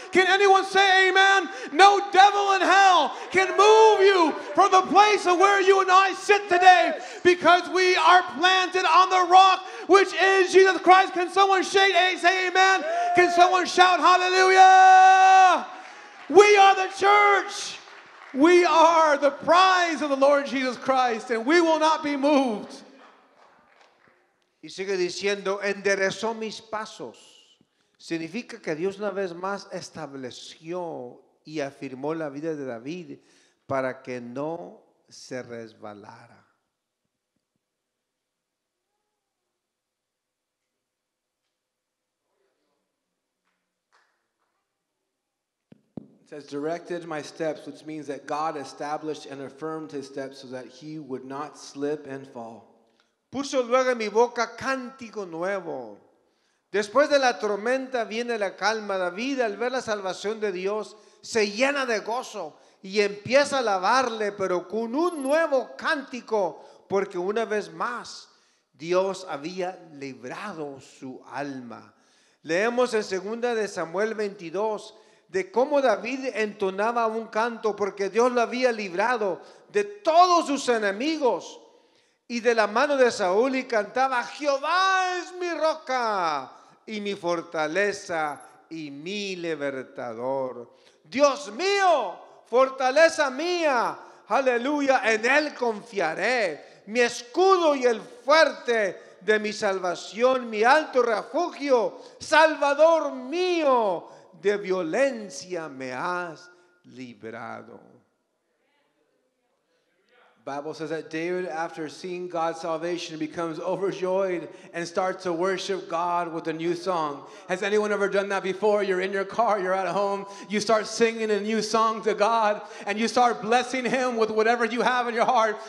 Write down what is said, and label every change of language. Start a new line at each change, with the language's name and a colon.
English: Can anyone say amen? No devil in hell can move you from the place of where you and I sit today, because we are planted on the rock, which is Jesus Christ. Can someone say amen? Can someone shout hallelujah? We are the church. We are the prize of the Lord Jesus Christ, and we will not be moved.
Spanish: Y sigue diciendo, enderezó mis pasos. Significa que Dios una vez más estableció y afirmó la vida de David para que no se resbalara.
English: Has directed my steps, which means that God established and affirmed his steps so that he would not slip and fall.
Spanish: Puso luego en mi boca cántico nuevo. Después de la tormenta viene la calma. David, al ver la salvación de Dios, se llena de gozo y empieza a alabarle, pero con un nuevo cántico, porque una vez más Dios había librado su alma. Leemos en 2 de Samuel 22 de cómo David entonaba un canto porque Dios lo había librado de todos sus enemigos y de la mano de Saúl, y cantaba, Jehová es mi roca y mi fortaleza y mi libertador. Dios mío, fortaleza mía, aleluya, en él confiaré, mi escudo y el fuerte de mi salvación, mi alto refugio, Salvador mío, de violencia me has librado.
English: Bible says that David, after seeing God's salvation, becomes overjoyed and starts to worship God with a new song. Has anyone ever done that before? You're in your car, you're at home, you start singing a new song to God, and you start blessing him with whatever you have in your heart.